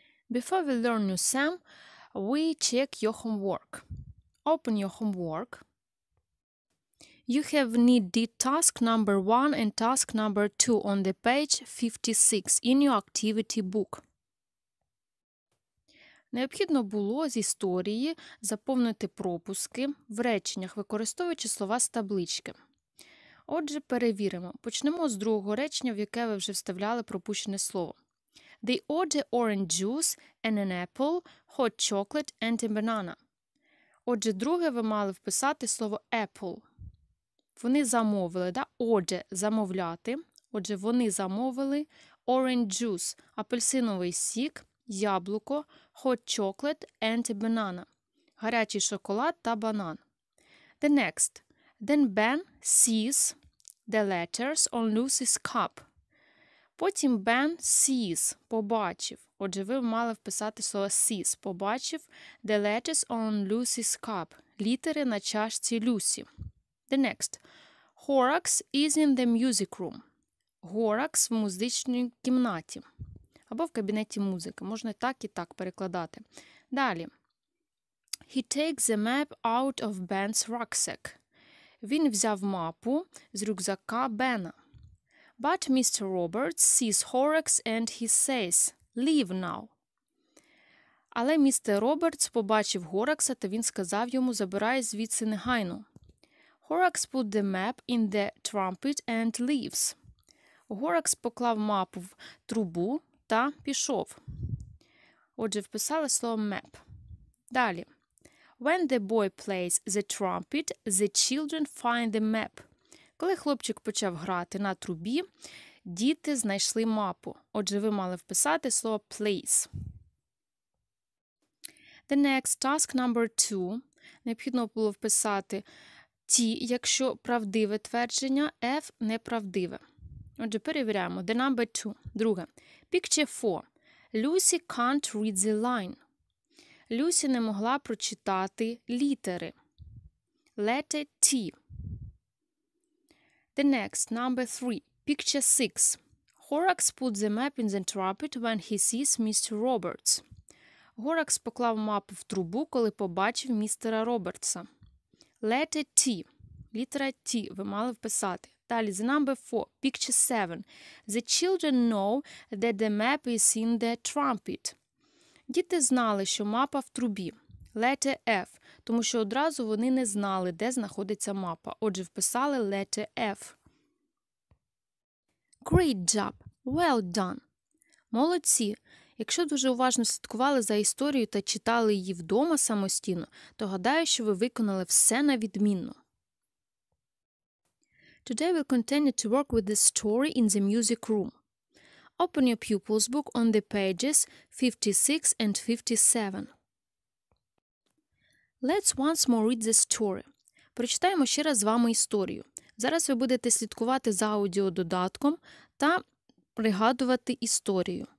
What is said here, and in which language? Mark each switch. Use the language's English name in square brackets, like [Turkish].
[English] Before we learn new sum, we check your homework. Open your homework. You have needed task number 1 and task number 2 on the page 56 in your activity book. [Ukrainian] Необхідно було з історії заповнити пропуски в реченнях, використовуючи слова з таблички. Отже, перевіримо. Почнемо з другого речення, в яке ви вже вставляли пропущене слово. [English] They order orange juice and an apple, hot chocolate and a banana. [Ukrainian] Отже, друге ви мали вписати слово apple. Вони замовили, да? Отже, замовляти. Отже, вони замовили [English] orange juice, [Ukrainian] апельсиновий сік, яблуко, [English] hot chocolate and a banana, [Ukrainian] гарячий шоколад та банан. [English] The next. Then Ben sees the letters on Lucy's cup. [Ukrainian] Потім Ben sees, побачив. Отже, ви мали вписати слово sees, побачив. [English] The letters on Lucy's cup, [Ukrainian] літери на чашці Люсі. [English] The next. Horrocks is in the music room. [Ukrainian] Horrocks в музичній кімнаті. Або в кабінеті музики. Можна так і так перекладати. Далі. [English] He takes a map out of Ben's rucksack. [Ukrainian] Він взяв мапу з рюкзака Бена. [English] But Mr. Roberts sees Horrocks and he says, leave now. [Ukrainian] Але містер Робертс побачив Горакса та він сказав йому, забирай звідси негайно. [English] Horrocks put the map in the trumpet and leaves. [Ukrainian] Горакс поклав мапу в трубу та пішов. Отже, вписали слово map. Далі. [English] When the boy plays the trumpet, the children find the map. [Ukrainian] Коли хлопчик почав грати на трубі, діти знайшли мапу. Отже, ви мали вписати слово plays. [English] The next task number 2. [Ukrainian] Необхідно було вписати T, якщо правдиве твердження, F неправдиве. Отже, перевіряємо. [English] The number 2. [Ukrainian] Друге. [English] Picture 4. Lucy can't read the line. [Ukrainian] Люсі не могла прочитати літери. [English] Letter T. The next. Number 3. Picture 6. Horrocks put the map in the trumpet when he sees Mr. Roberts. [Ukrainian] Горакс поклав мапу в трубу, коли побачив містера Робертса. [English] Letter T. [Ukrainian] Літера T ви мали вписати. Далі, [English] the number 4, picture 7. The children know that the map is in the trumpet. [Ukrainian] Діти знали, що мапа в трубі. [English] Letter F. [Ukrainian] Тому що одразу вони не знали, де знаходиться мапа. Отже, вписали [English] letter F. Great job! Well done! [Ukrainian] Молодці! Якщо дуже уважно слідкували за історією та читали її вдома самостійно, то гадаю, що ви виконали все на відмінно. [English] Today we'll continue to work with the story in the music room. Open your pupil's book on the pages 56 and 57. Let's once more read the story. [Ukrainian] Прочитаємо ще раз з вами історію. Зараз ви будете слідкувати за аудіододатком та пригадувати історію.